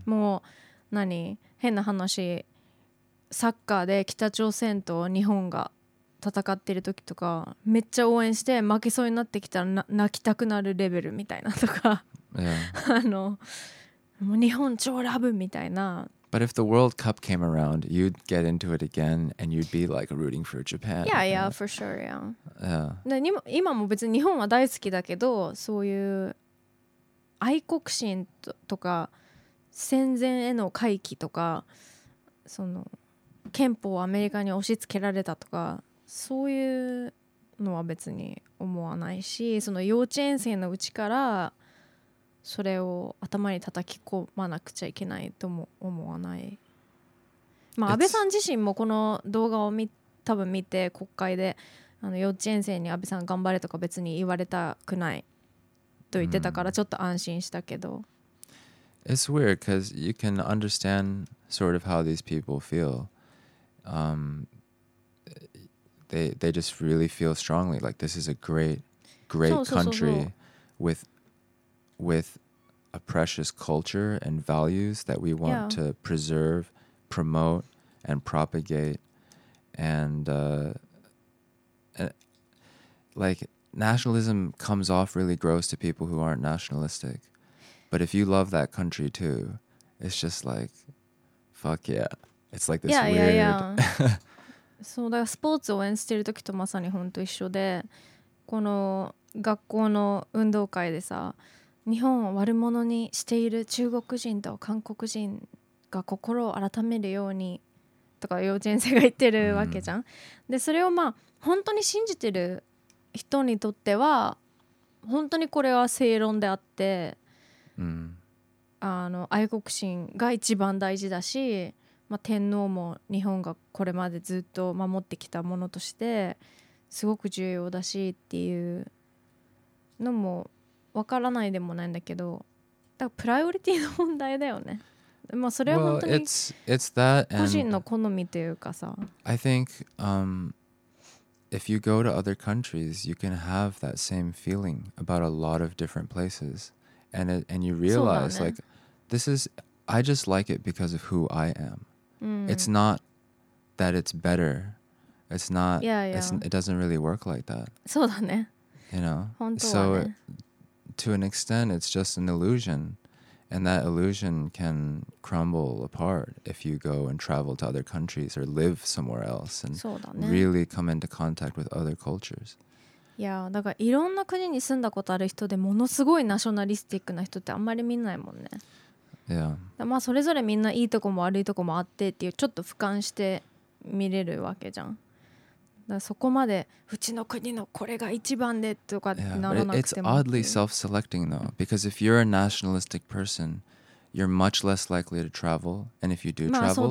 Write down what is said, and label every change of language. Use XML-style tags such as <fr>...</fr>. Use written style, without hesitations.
<ja>もう何変な話、サッカーで北朝鮮と日本が戦ってる時とかめっちゃ応援して負けそうになってきたら泣きたくなるレベルみたいなとか。</ja> <en>Yeah.</en> <ja>あの。もう日本超ラブみたいな。</ja> <en>But if the World Cup came around, you'd get into it again and you'd be like rooting for Japan. Yeah, yeah, for sure, yeah. Yeah.</en> <ja>でも今も別に日本は大好きだけど、そういう愛国心とか戦前への回帰とか、その憲法をアメリカに押し付けられたとか、そういうのは別に思わないし、その幼稚園生のうちからそれを頭に叩き込まなくちゃいけないとも思わない。まあ安倍さん自身もこの動画を多分見て、国会であの幼稚園生に安倍さん頑張れとか別に言われたくないと言ってたからちょっと安心したけど。 Mm.</ja> <en>It's weird because you can understand sort of how these people feel. They just really feel strongly like this is a great country with a precious culture and values that we want、yeah. to preserve, promote, and propagate. And like nationalism comes off really gross to people who aren't nationalistic. But if you love that country too, it's just like, fuck yeah. It's like this yeah, weird. Yeah, yeah.</en> <ja>そうだからスポーツを応援してる時とまさに本当一緒で、この学校の運動会でさ、日本を悪者にしている中国人と韓国人が心を改めるようにとか幼稚園生が言ってるわけじゃん。うん、でそれをまあ本当に信じてる人にとっては本当にこれは正論であって、うん、あの愛国心が一番大事だし、まあ、天皇も日本がこれまでずっと守ってきたものとしてすごく重要だしっていうのも分からないでもないんだけど、だからプライオリティの問題だよね。まあそれは本当に個人の好みというかさ、</ja> <en>well, I think、if you go to other countries, you can have that same feeling about a lot of different places. And, it, and you realize,、ね、like, this is, I just like it because of who I am.、 Mm. It's not that it's better. It's not, yeah, yeah. It's, it doesn't really work like that.</en> <ja>そうだね。</ja> <en>You know?</en> <ja>本当はね。So,</ja> <en>to an extent, it's just an illusion. And that illusion can crumble apart if you go and travel to other countries or live somewhere else and、</en> <ja>ね、</ja> <en>really come into contact with other cultures.</en> <ja>いや、だからいろんな国に住んだことある人でものすごいナショナリスティックな人ってあんまり見ないもんね。</ja> <en>Yeah.</en> <ja>まあそれぞれみんないいとこも悪いとこもあってっていうちょっと俯瞰して見れるわけじゃん。だからそこまでうちの国のこれが一番でとかならなくても、</ja> <en>It's oddly self-selecting though, because if you're a nationalistic person, you're much less likely to travel, and if you do travel,、</en>